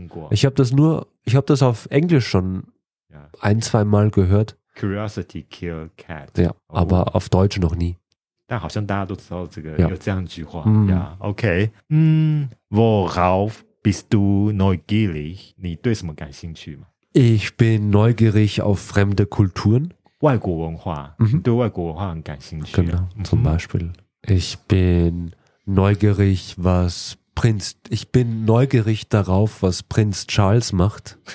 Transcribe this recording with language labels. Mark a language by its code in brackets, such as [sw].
[de] Ich habe das auf Englisch schon ein, zwei Mal gehört. [en] Curiosity kill cat. [de] Ja, aber auf Deutsch noch nie. [zh] 但好像大家都知道这个 有这样一句话 Okay. [de] Worauf bist du neugierig? [zh] 你对什么感兴趣吗? [de] Ich bin neugierig auf fremde Kulturen. [zh] 外国文化, 对外国文化很感兴趣。 [de] Genau, zum Beispiel. Ich bin neugierig, ich bin neugierig darauf, was Prinz Charles macht.